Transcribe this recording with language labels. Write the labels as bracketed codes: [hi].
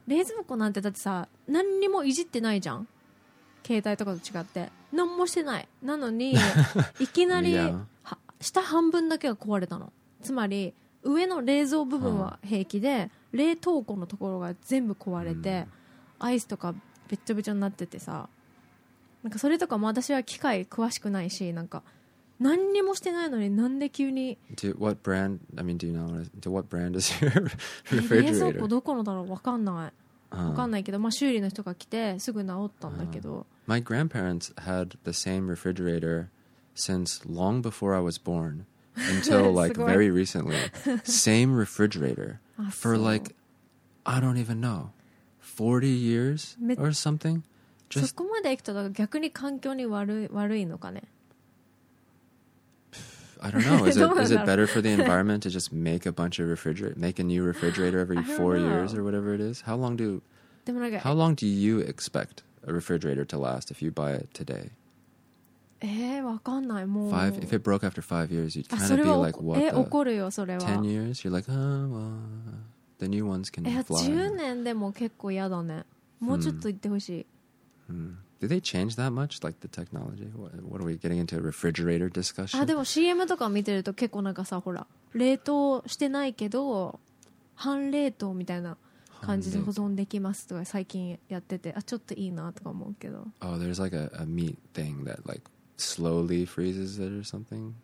[ja] 冷蔵庫なんてだってさ何にもいじってないじゃん、携帯とかと違って何もしてないなのにいきなり下半分だけが壊れたの。つまり上の冷蔵部分は平気で、冷凍庫のところが全部壊れて、アイスとかべちょべちょになっててさ、なんかそれとかも私は機械詳しくないし、なんか何にもしてないのになんで急に。 [en] What brand? I mean, do you know to what brand is your refrigerator? [ja] 冷蔵庫どこのだろう、わかんない。わかんないけど、まあ、修理の人が来てすぐ治ったんだけど。 [en] My grandparents had the same refrigerator since long before I was born until like very recently. Same refrigerator for like I don't even know 40 years or something. Just... [ja] そこまで行くと逆に環境に悪いのかね。 [en] I don't know. Is it better for the environment to just make a new refrigerator every 4 years or whatever it is? How long do you expect a refrigerator to last if you buy it today? [ja] わかんない。もう [en] five. If it broke after 5 years, you'd kind of be like, what? [ja] 怒るよ、それは。 [en] 10 years, you're like, the new ones can fly. [ja] 10年でも結構やだね。もうちょっと言ってほしい。 [en] Hmm. Do they change that much? Like the technology? What are we getting into a refrigerator discussion? [ja] でも CM とか見てると結構なんかさほら冷凍してないけど半冷凍みたいな感じで保存できますとか最近やっててあちょっといいなとか思うけど [en] Oh, there's like a meat thing that like slowly freezes it or something?